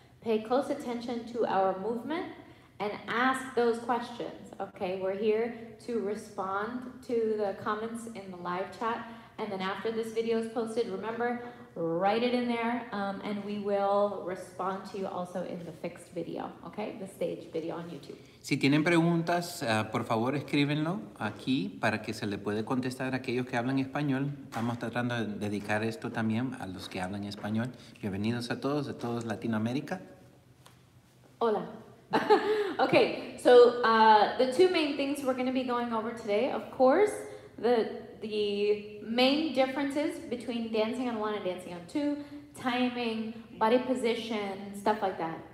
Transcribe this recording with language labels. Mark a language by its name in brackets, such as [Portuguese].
[English] Pay close attention to our movement, and ask those questions, okay? We're here to respond to the comments in the live chat, and then after this video is posted, remember, write it in there, and we will respond to you also in the fixed video, okay? The stage video on YouTube. [Spanish] Si tienen preguntas, por favor, escríbenlo aquí para que se le puede contestar a aquellos que hablan español. Estamos tratando de dedicar esto también a los que hablan español. Bienvenidos a todos de todos Latinoamérica. Hola. [English] Okay, so the two main things we're going to be going over today, of course, the main differences between dancing on one and dancing on two, timing, body position, stuff like that.